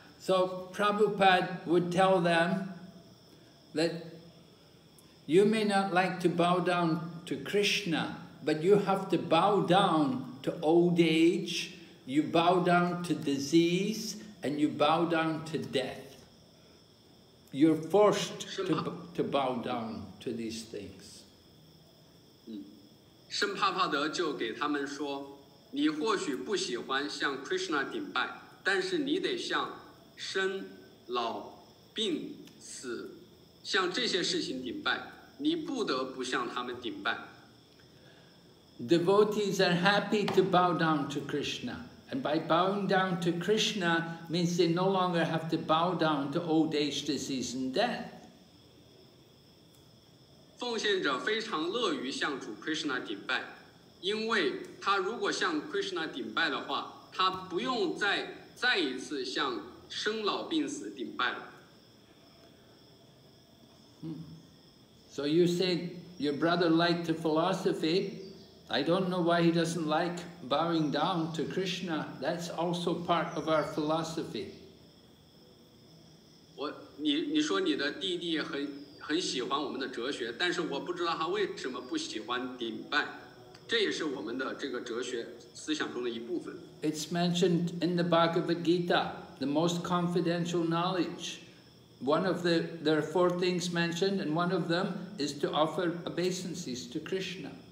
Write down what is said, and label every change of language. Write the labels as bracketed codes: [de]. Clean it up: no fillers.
[en] So Prabhupada would tell them that you may not like to bow down to Krishna, but you have to bow down to old age, you bow down to disease, and you bow down to death. You're forced to bow down to these things. [zh] 圣帕帕德就给他们说, 你或许不喜欢向Krishna顶拜, 但是你得向生老病死, 向这些事情顶拜, 你不得不向他们顶拜。 [en] Devotees are happy to bow down to Krishna, and by bowing down to Krishna means they no longer have to bow down to old age, disease, and death. [zh] 奉献者非常乐于向主Krishna顶拜, 因为他如果向Krishna顶拜的话, 他不用再一次向生老病死顶拜了。 [en] So you said your brother liked the philosophy. I don't know why he doesn't like bowing down to Krishna. That's also part of our philosophy. [zh] 你说你的弟弟很喜欢我们的哲学, 但是我不知道他为什么不喜欢顶拜。这也是我们的这个哲学思想中的一部分。 [en] It's mentioned in the Bhagavad Gita, the most confidential knowledge. One of the, there are four things mentioned, and one of them is to offer obeisances to Krishna.